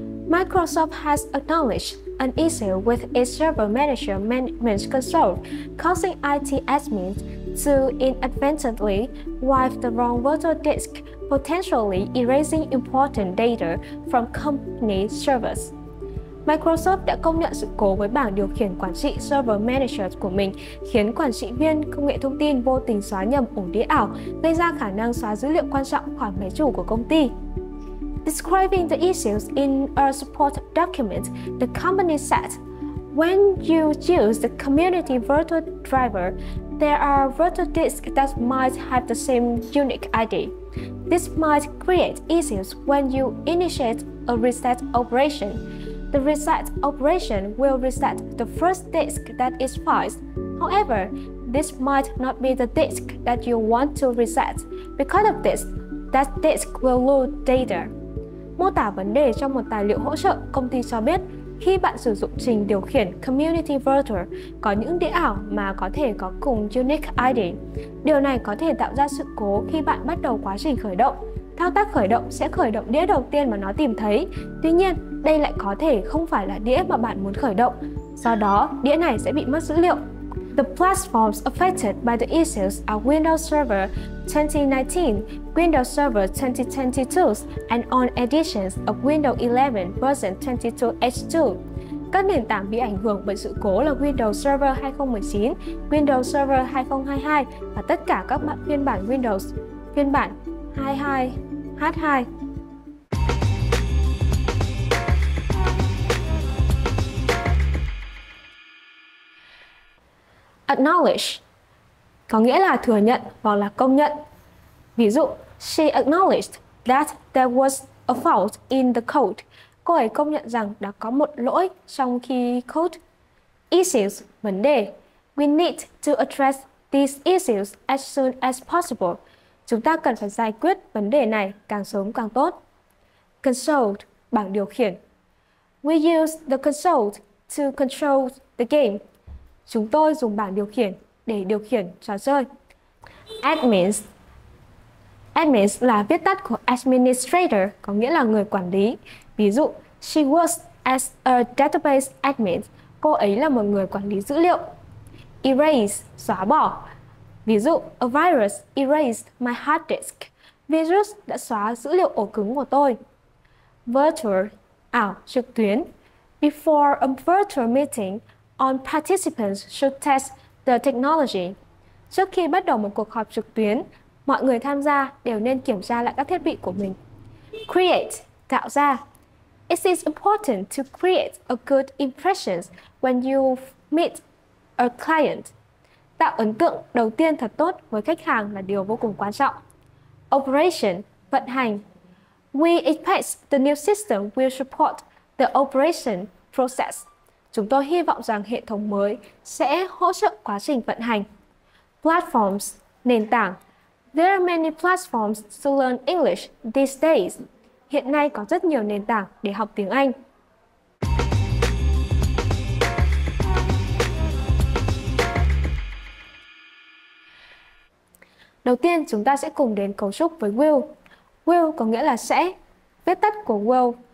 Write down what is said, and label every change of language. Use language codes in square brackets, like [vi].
[en] Microsoft has acknowledged an issue with its server manager management console, causing IT admins to inadvertently wipe the wrong virtual disk, potentially erasing important data from company servers. [vi] Microsoft đã công nhận sự cố với bảng điều khiển quản trị server manager của mình, khiến quản trị viên công nghệ thông tin vô tình xóa nhầm ổ đĩa ảo, gây ra khả năng xóa dữ liệu quan trọng khỏi máy chủ của công ty. [en] Describing the issues in a support document, the company said, when you use the community virtual driver, there are virtual disks that might have the same unique ID. This might create issues when you initiate a reset operation. The reset operation will reset the first disk that is fried. However, this might not be the disk that you want to reset. Because of this, that disk will lose data. [vi] Mô tả vấn đề trong một tài liệu hỗ trợ, công ty cho biết khi bạn sử dụng trình điều khiển Community Virtual có những đĩa ảo mà có thể có cùng Unique ID. Điều này có thể tạo ra sự cố khi bạn bắt đầu quá trình khởi động. Thao tác khởi động sẽ khởi động đĩa đầu tiên mà nó tìm thấy. Tuy nhiên, đây lại có thể không phải là đĩa mà bạn muốn khởi động. Do đó, đĩa này sẽ bị mất dữ liệu. [en] The platforms affected by the issues are Windows Server 2019, Windows Server 2022, and on editions of Windows 11 version 22H2. [vi] Các nền tảng bị ảnh hưởng bởi sự cố là Windows Server 2019, Windows Server 2022 và tất cả các phiên bản Windows, phiên bản 22H2. Acknowledge có nghĩa là thừa nhận hoặc là công nhận. Ví dụ, [en] she acknowledged that there was a fault in the code. [vi] Cô ấy công nhận rằng đã có một lỗi trong khi code. Issues, vấn đề. [en] We need to address these issues as soon as possible. [vi] Chúng ta cần phải giải quyết vấn đề này càng sớm càng tốt. Console, bảng điều khiển. [en] We use the console to control the game. [vi] Chúng tôi dùng bảng điều khiển để điều khiển trò chơi. Admins. Admins là viết tắt của administrator, có nghĩa là người quản lý. Ví dụ, [en] she works as a database admin. [vi] Cô ấy là một người quản lý dữ liệu. Erase, xóa bỏ. Ví dụ, [en] a virus erased my hard disk. [vi] Virus đã xóa dữ liệu ổ cứng của tôi. [en] Virtual, [vi] ảo, trực tuyến. [en] Before a virtual meeting, all participants should test the technology. [vi] Trước khi bắt đầu một cuộc họp trực tuyến, mọi người tham gia đều nên kiểm tra lại các thiết bị của mình. Create, tạo ra. [en] It is important to create a good impression when you meet a client. [vi] Tạo ấn tượng đầu tiên thật tốt với khách hàng là điều vô cùng quan trọng. Operation, vận hành. [en] We expect the new system will support the operation process. [vi] Chúng tôi hy vọng rằng hệ thống mới sẽ hỗ trợ quá trình vận hành. Platforms, nền tảng. [en] There are many platforms to learn English these days. [vi] Hiện nay có rất nhiều nền tảng để học tiếng Anh. Đầu tiên, chúng ta sẽ cùng đến cấu trúc với will. Will có nghĩa là sẽ, viết tắt của will.